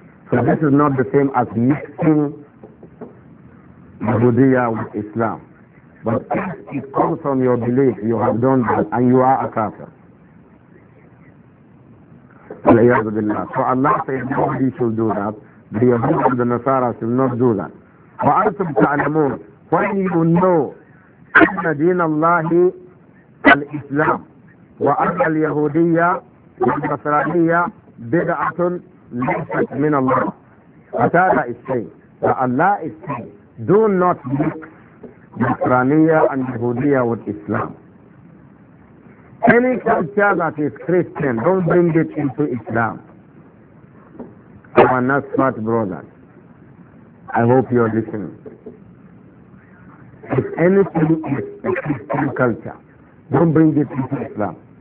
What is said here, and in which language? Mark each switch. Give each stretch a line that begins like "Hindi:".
English: So this is not the same as mixing Yahudiya with Islam. But if it comes from your belief, you have done that, and you are a kafir. So Allah says nobody should do that. The Yahud and the Nasara should not do that.
Arabic: وَأَنْتُمْ تَعْلَمُونَ
English: When you know
Arabic: أَنَّ دِينَ اللَّهِ الْإِسْلَامِ وَأَنَّ الْيَهُودِيَّةِ وَالْنَصْرَانِيَّةِ بِدْعَةٌ لَيْسَتْ مِنَ اللَّهِ فَتَالَ إِسْلَامِ
English: Allah is saying, do not mix Nasraniya and Yahudiya with Islam. Any culture that is Christian, don't bring it into Islam. Our Nasrat brothers, I hope you are listening. If anything is a Christian culture, don't bring it into Islam.